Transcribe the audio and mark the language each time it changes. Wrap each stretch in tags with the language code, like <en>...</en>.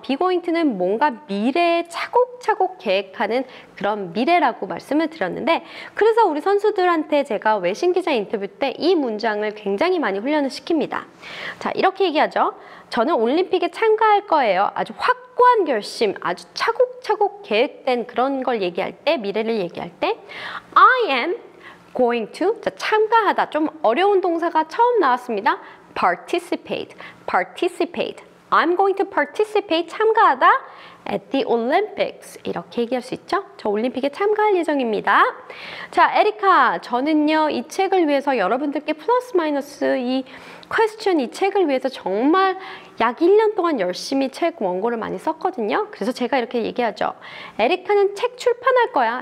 <ko>Be going to는 뭔가 미래에 차곡차곡 계획하는 그런 미래라고 말씀을 드렸는데 그래서 우리 선수들한테 제가 외신 기자 인터뷰 때 이 문장을 굉장히 많이 훈련을 시킵니다. 자, 이렇게 얘기하죠. 저는 올림픽에 참가할 거예요. 아주 확고한 결심, 아주 차곡차곡 계획된 그런 걸 얘기할 때, 미래를 얘기할 때</ko> <en>I am going to,</en> <ko>자, 참가하다, 좀 어려운 동사가 처음 나왔습니다.</ko> <en>Participate, participate. I'm going to participate,</en> <ko>참가하다</ko> <en>at the Olympics.</en> <ko>이렇게 얘기할 수 있죠? 저 올림픽에 참가할 예정입니다. 자, 에리카, 저는요, 이 책을 위해서 여러분들께 플러스 마이너스 이 퀘스천, 이 책을 위해서 정말 약 1년 동안 열심히 책 원고를 많이 썼거든요. 그래서 제가 이렇게 얘기하죠. 에리카는 책 출판할 거야.</ko>